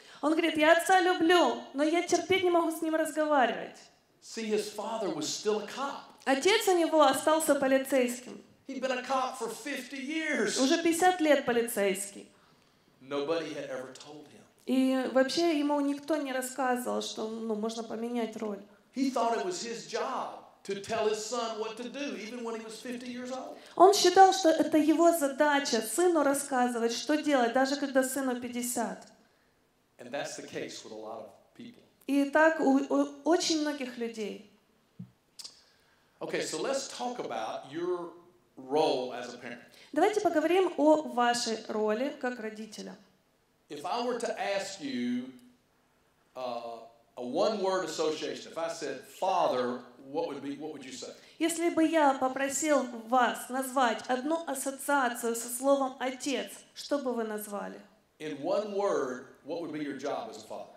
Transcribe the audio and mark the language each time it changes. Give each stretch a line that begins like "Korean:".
Russian: Он говорит, я отца люблю, но я терпеть не могу с ним разговаривать.
English: See, his father was still a cop.
Russian: Отец у него остался полицейским.
English: He'd been a cop for 50 years.
Russian: Уже 50 лет полицейский.
English: Nobody had ever told him.
Russian: И вообще ему никто не рассказывал, что ну, можно поменять роль.
English: He thought it was his job to tell his son what to do, even when he was 50 years old.
Russian: Он считал, что это его задача сыну рассказывать, что делать, даже когда сыну 50.
English: And that's the case with a lot of people.
Russian: И так у очень многих людей.
English: Okay, so let's talk about your role as a parent.
Russian: Давайте поговорим о вашей роли как родителя.
English: If I were to ask you a one-word association, if I said father, what would you say?
Russian: Если бы я попросил вас назвать одну ассоциацию со словом отец, что бы вы назвали?
English: In one word, what would be your job as a father?